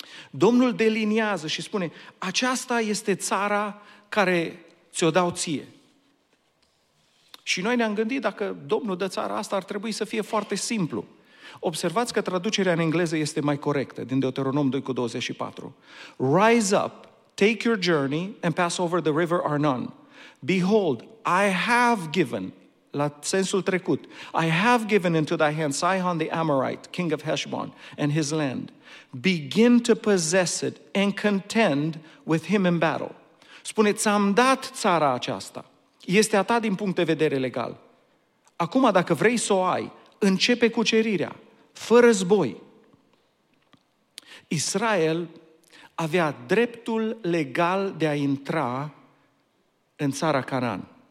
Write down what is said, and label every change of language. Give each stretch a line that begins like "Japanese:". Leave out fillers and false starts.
Romanian: Domnul deliniază și spune, aceasta este țara care ți-o dau ție. Și noi ne-am gândit, dacă Domnul dă țara asta, ar trebui să fie foarte simplu. Observați că traducerea în engleză este mai corectă, din Deuteronom 2:24.
English: Rise up, take your journey and pass over the river Arnon. Behold, I have given,
Romanian: la sensul trecut,
English: I have given into thy hand Sihon the Amorite, king of Heshbon, and his land. Begin to possess it and contend with him in battle.
Romanian: Spune, ți-am dat țara aceasta. Este a ta din punct de vedere legal. Acum, dacă vrei să o ai, începe cucerirea, fără război. Israel avea dreptul legal de a intra în țara Canaan.